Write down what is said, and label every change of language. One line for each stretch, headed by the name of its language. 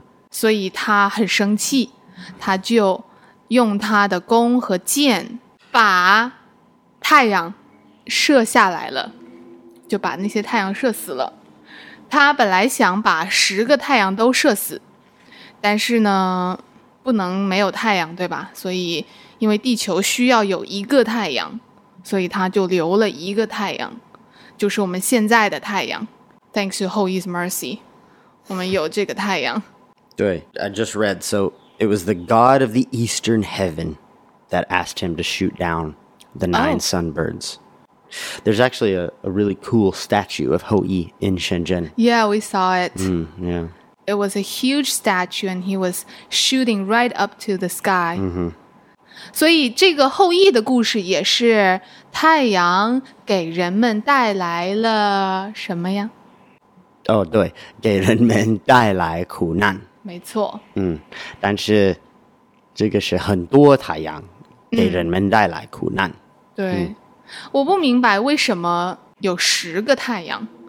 Chinese: 所以他很生气,他就用他的弓和箭把太阳射下来了,就把那些太阳射死了。他本来想把十个太阳都射死,但是呢,不能没有太阳,对吧?所以因为地球需要有一个太阳,所以他就留了一个太阳,就是我们现在的太阳。 Thanks to Hou's mercy, 我们有这个太阳。
English: 对, I just read, so it was the god of the eastern heaven that asked him to shoot down the nine sunbirds. There's actually a really cool statue of Ho-Yi in Shenzhen. Yeah, we saw it. Mm, yeah. It was a huge statue and he was shooting right up to the sky. Mm-hmm.
Chinese: 所以这个后羿的故事也是太阳给人们带来了什么呀? 哦,对,给人们带来苦难。没错。但是这个是很多太阳给人们带来苦难。对,我不明白为什么有十个太阳?